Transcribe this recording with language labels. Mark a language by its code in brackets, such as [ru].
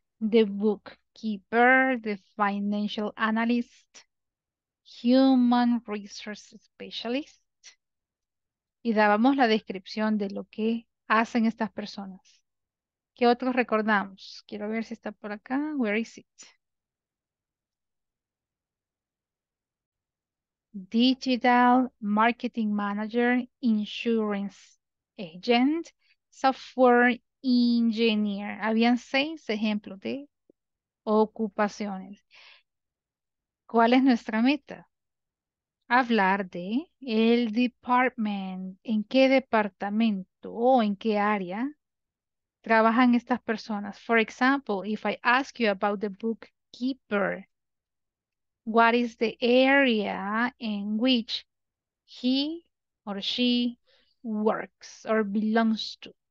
[en] The bookkeeper, the financial analyst, human resource specialist. [es] Y dábamos la descripción de lo que hacen estas personas. ¿Qué otros recordamos? Quiero ver si está por acá. [en] Where is it? Digital marketing manager, insurance agent, software engineer. [es] Habían 6 ejemplos de ocupaciones. ¿Cuál es nuestra meta? Hablar de el department. ¿En qué departamento o en qué área trabajan estas personas? [en] For example, if I ask you about the bookkeeper, what is the area in which he or she works or belongs to?